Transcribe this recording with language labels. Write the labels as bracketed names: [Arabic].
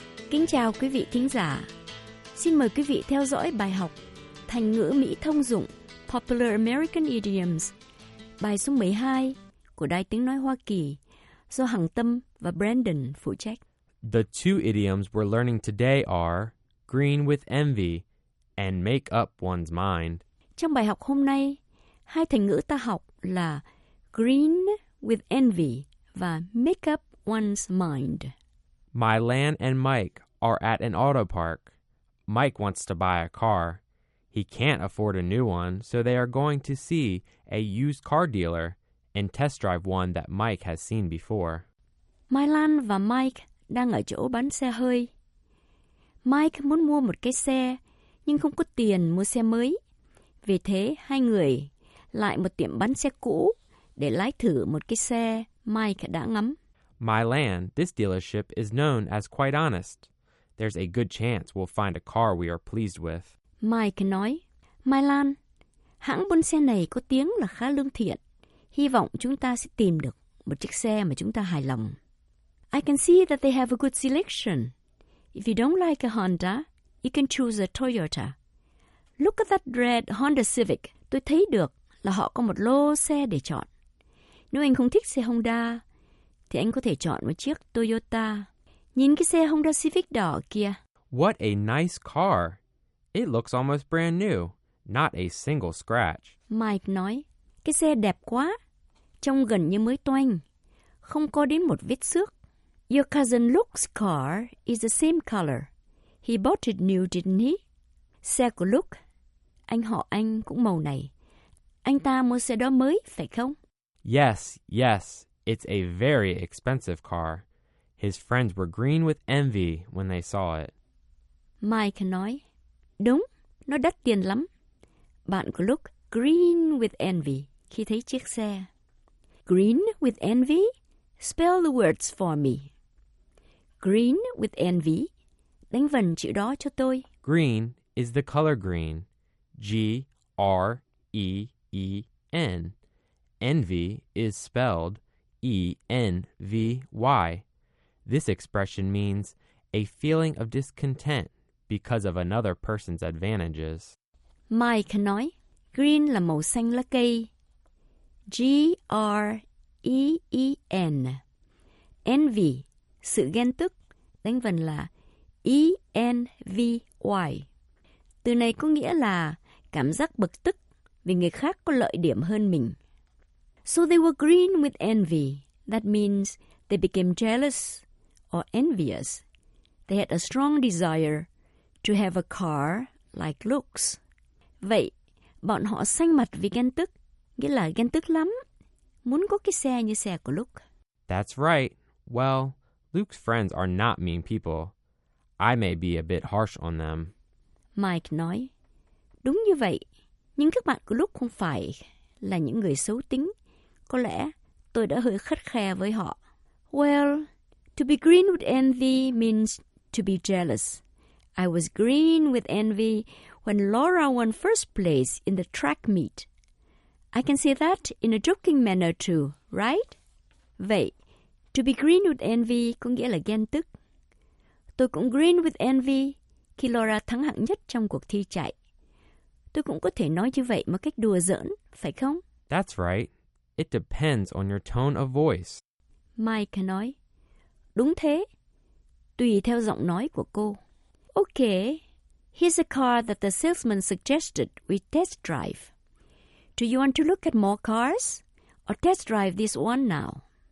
[Vietnamese] Kính chào quý vị thính giả. Xin mời quý vị theo dõi bài học Thành ngữ Mỹ thông dụng [English] Popular American Idioms, [Vietnamese] bài số 12 của Đài Tiếng Nói Hoa Kỳ do Hằng Tâm và Brandon phụ trách. [English] The two idioms we're learning today are green with envy and make up one's mind. [Vietnamese] Trong bài học hôm nay, hai thành ngữ ta học là [English] green with envy [Vietnamese] và [English] make up one's mind. My Lan and Mike are at an auto park. Mike wants to buy a car. He can't afford a new one, so they are going to see a used car dealer and test drive one that Mike has seen before. [Vietnamese] My Lan và Mike đang ở chỗ bán xe hơi. Mike muốn mua một cái xe, nhưng không có tiền mua xe mới. Vì thế, hai người lại một tiệm bán xe cũ để lái thử một cái xe Mike đã ngắm. [English] My Land, this dealership is known as quite honest. There's a good chance we'll find a car we are pleased with. [Vietnamese] Mike nói, My Land, hãng buôn xe này có tiếng là khá lương thiện. Hy vọng chúng ta sẽ tìm được một chiếc xe mà chúng ta hài lòng. [English] I can see that they have a good selection. If you don't like a Honda, you can choose a Toyota. Look at that red Honda Civic. [Vietnamese] Tôi thấy được là họ có một lô xe để chọn. Nếu anh không thích xe Honda, thì anh có thể chọn một chiếc Toyota. Nhìn cái xe Honda Civic đỏ kia. [English] What a nice car. It looks almost brand new. Not a single scratch. [Vietnamese] Mike nói, cái xe đẹp quá. Trông gần như mới toanh. Không có đến một vết xước. [English] Your cousin Luke's car is the same color. He bought it new, didn't he? [Vietnamese] Xe của Luke, anh họ anh cũng màu này. Anh ta mua xe đó mới, phải không? [English] Yes, yes. It's a very expensive car. His friends were green with envy when they saw it. [Vietnamese] Mike nói, đúng, nó đắt tiền lắm. Bạn của Luke [English] green with envy [Vietnamese] khi thấy chiếc xe. [English] Green with envy? Spell the words for me. Green with envy. [Vietnamese] Đánh vần chữ đó cho tôi. [English] Green is the color green. G-R-E-E-N. Envy is spelled E-N-V-Y. This expression means a feeling of discontent because of another person's advantages. [Vietnamese] Mike nói, green là màu xanh lá cây. G-R-E-E-N. Envy, sự ghen tức, đánh vần là E-N-V-Y. Từ này có nghĩa là cảm giác bực tức vì người khác có lợi điểm hơn mình. [English] So they were green with envy. That means they became jealous or envious. They had a strong desire to have a car like Luke's. [Vietnamese] Vậy, bọn họ xanh mặt vì ghen tức, nghĩa là ghen tức lắm, muốn có cái xe như xe của Luke. [English] That's right. Well, Luke's friends are not mean people. I may be a bit harsh on them. [Vietnamese] Mike nói, đúng như vậy, nhưng các bạn của Luke không phải là những người xấu tính. Có lẽ tôi đã hơi khắt khe với họ. [English] Well, to be green with envy means to be jealous. I was green with envy when Laura won first place in the track meet. I can say that in a joking manner too, right? [Vietnamese] Vậy, [English] to be green with envy [Vietnamese] có nghĩa là ghen tức. Tôi cũng [English] green with envy [Vietnamese] khi Laura thắng hạng nhất trong cuộc thi chạy. Tôi cũng có thể nói như vậy một cách đùa giỡn, phải không? [English] That's right. It depends on your tone of voice. [Vietnamese] Mike nói, đúng thế, tùy theo giọng nói của cô. [English] Okay, here's a car that the salesman suggested we test drive. Do you want to look at more cars or test drive this one now?